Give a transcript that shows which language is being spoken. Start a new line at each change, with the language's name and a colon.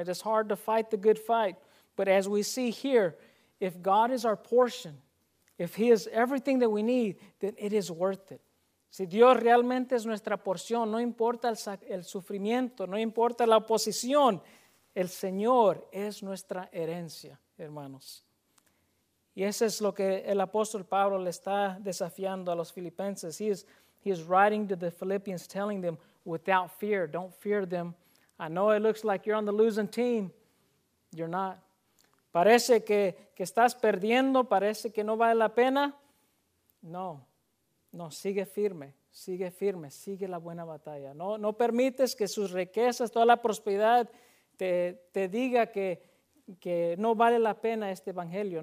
English: It is hard to fight the good fight. But as we see here, if God is our portion, if He is everything that we need, then it is worth it.
Spanish: Si Dios realmente es nuestra porción, no importa el sufrimiento, no importa la oposición, el Señor es nuestra herencia, hermanos. Y eso es lo que el apóstol Pablo le está desafiando a los filipenses.
English: He is writing to the Philippians, telling them, without fear, don't fear them. I know it looks like you're on the losing team. You're not.
Spanish: Parece que estás perdiendo, parece que no vale la pena. No. No, sigue firme, sigue firme, sigue la buena batalla. No permites que sus riquezas, toda la prosperidad te diga que no vale la pena este evangelio.